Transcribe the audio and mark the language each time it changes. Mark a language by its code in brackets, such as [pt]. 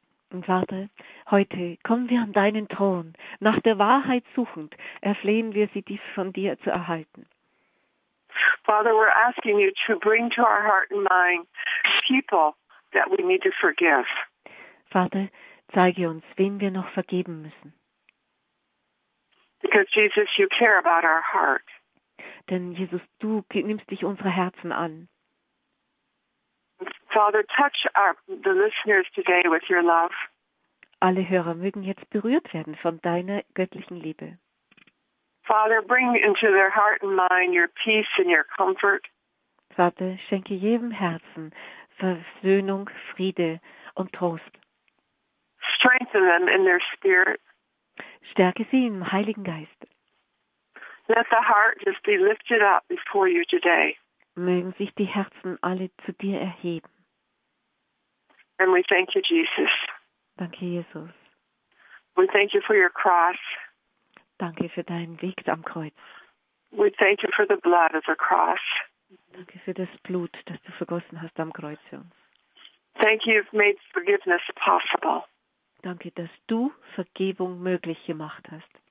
[de] Und Vater, heute kommen wir an deinen Thron. Nach der Wahrheit suchend, erflehen wir sie, die von dir zu erhalten. [en] Father, we're asking you to bring to our heart and mind people that we need to forgive. [de] Vater, zeige uns, wen wir noch vergeben müssen. [en] Because Jesus, you care about our heart. [de] Denn Jesus, du nimmst dich unserer Herzen an. [en] Father, touch the listeners today with your love. [de] Alle Hörer mögen jetzt berührt werden von deiner göttlichen Liebe. [en] Father, bring into their heart and mind your peace and your comfort. [de] Vater, schenke jedem Herzen Versöhnung, Friede und Trost. [en] Strengthen them in their spirit. [de] Stärke sie im Heiligen Geist. [en] Let the heart just be lifted up before you today. [de] Mögen sich die Herzen alle zu dir erheben. [en] And we thank you, Jesus. [de] Danke, Jesus. [en] We thank you for your cross. [de] Danke für deinen Weg am Kreuz. [en] We thank you for the blood of the cross. [de] Danke für das Blut, das du vergossen hast am Kreuz für uns. [en] Thank you, you've made forgiveness possible. [de] Danke, dass du Vergebung möglich gemacht hast.